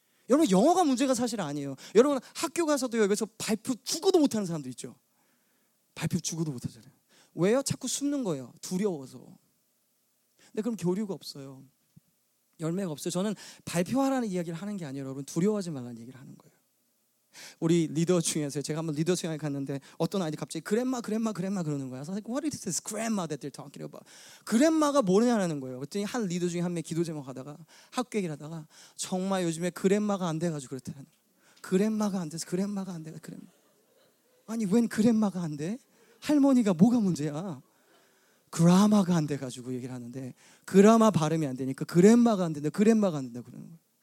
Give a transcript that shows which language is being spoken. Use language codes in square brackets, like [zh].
[ko] 여러분 영어가 문제가 사실 아니에요. 여러분 학교 가서도 여기서 발표 죽어도 못하는 사람들 있죠. 발표 죽어도 못하잖아요. 왜요? 자꾸 숨는 거예요. 두려워서. 근데 그럼 교류가 없어요. 열매가 없어요. 저는 발표하라는 이야기를 하는 게 아니에요. 여러분 두려워하지 말라는 얘기를 하는 거예요. 우리 리더 중에서 제가 한번 리더 수행을 갔는데 어떤 아이들이 갑자기 그랜마 그러는 거야. [en] So I was like, what is this grandma that they're talking about? [ko] 그랜마가 뭐냐라는 거예요. 그랬더니 한 리더 중에 한 명이 기도 제목 하다가 학교 얘기를 하다가 정말 요즘에 그랜마가 안 돼가지고 그랬더라는 거예요. 그랜마가 안 돼. 아니 웬 그랜마가 안 돼? 할머니가 뭐가 문제야? 그라마가 안 돼가지고 얘기를 하는데 그라마 발음이 안 되니까 그랜마가 안 된다 그러는 거예요.